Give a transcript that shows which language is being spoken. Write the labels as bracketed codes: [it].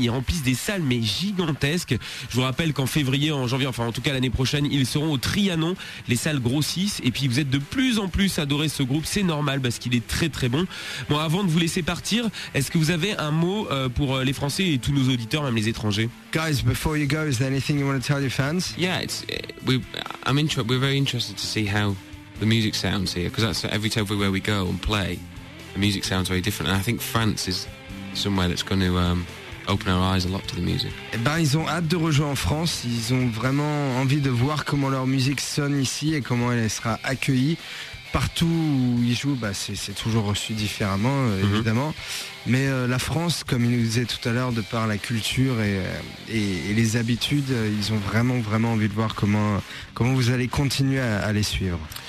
[fr] Ils remplissent des salles, mais gigantesques. Je vous rappelle qu'en février, en janvier, enfin en tout cas l'année prochaine, ils seront au Trianon. Les salles grossissent et puis vous êtes de plus en plus adorés ce groupe. C'est normal parce qu'il est très très bon. Bon, avant de vous laisser partir, est-ce que vous avez un mot pour les Français et tous nos auditeurs, même les étrangers? [en] Guys, before you go, is there anything you want to tell your fans? Yeah, we're very interested to see how the music sounds here, because that's every time everywhere we go and play, the music sounds very different. And I think France is somewhere that's going to open our eyes a lot to the music. [fr] Et ben, ils ont hâte de rejoindre en France. Ils ont vraiment envie de voir comment leur musique sonne ici et comment elle sera accueillie. Partout où ils jouent, bah c'est toujours reçu différemment, évidemment. Mais la France, comme il nous disait tout à l'heure, de par la culture et les habitudes, ils ont vraiment, vraiment envie de voir comment vous allez continuer à les suivre.